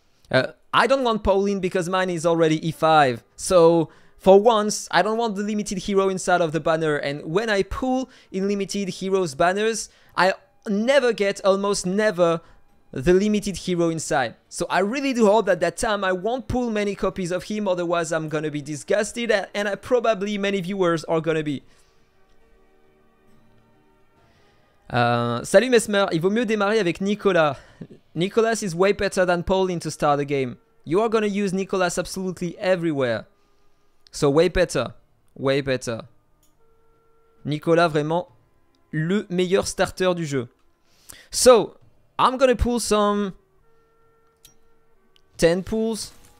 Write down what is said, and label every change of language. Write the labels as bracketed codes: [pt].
[en] I don't want Paulin, because mine is already E5, so for once, I don't want the limited hero inside of the banner, and when I pull in limited heroes banners, I never get, almost never, the limited hero inside. So I really do hope that time I won't pull many copies of him, otherwise I'm gonna be disgusted, and I probably many viewers are gonna be. [fr] Salut Mesmer, il vaut mieux démarrer avec Nicolas. [en] Nicolas is way better than Paulin to start the game. You are gonna use Nicolas absolutely everywhere. So way better, way better. [fr] Nicolas, vraiment le meilleur starter du jeu. [en] So, I'm gonna pull some 10 pulls.